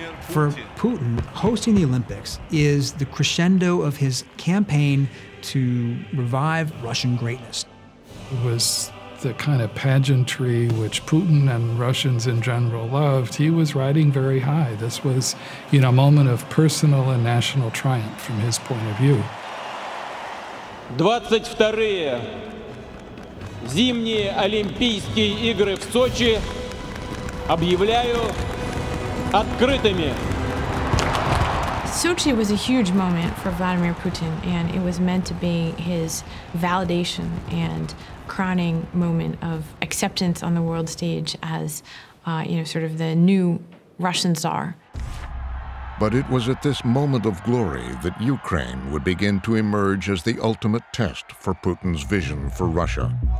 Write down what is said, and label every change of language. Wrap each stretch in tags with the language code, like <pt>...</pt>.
<en>For Putin, hosting the Olympics is the crescendo of his campaign to revive Russian greatness. It was the kind of pageantry which Putin and Russians in general loved. He was riding very high. This was, you know, a moment of personal and national triumph from his point of view.</en> <ru>22-е зимние Олимпийские игры в Сочи объявляю открытыми.</ru> <en>Sochi was a huge moment for Vladimir Putin, and it was meant to be his validation and crowning moment of acceptance on the world stage as, sort of the new Russian czar. But it was at this moment of glory that Ukraine would begin to emerge as the ultimate test for Putin's vision for Russia.</en>